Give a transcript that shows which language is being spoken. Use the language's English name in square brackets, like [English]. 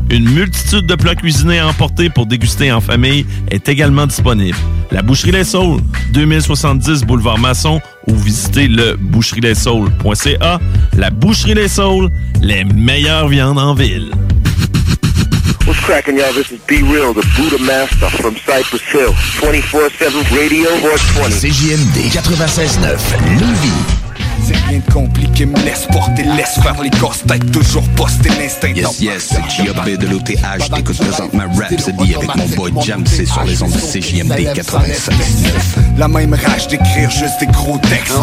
[French] Une multitude de plats cuisinés à emporter pour déguster en famille est également disponible. La Boucherie Les Saules, 2070 Boulevard Masson, ou visitez le boucherielessaules.ca. La Boucherie Les Saules, les meilleures viandes en ville. [English] What's cracking, y'all? This is B-Real, the Buddha Master from Cypress Hill. 24-7 Radio, Voice 20. [French] CJMD 96.9, Lévis. C'est rien de compliqué, me laisse porter, laisse faire les gosses, t'es toujours posté l'instinct. [English] Yes, yes, [French] c'est J.O.B. de l'OTH, t'écoutes présentement rap, c'est dit avec mon boy Jam, c'est sur les ondes de CJMD 96.9. La même rage d'écrire juste des gros textes.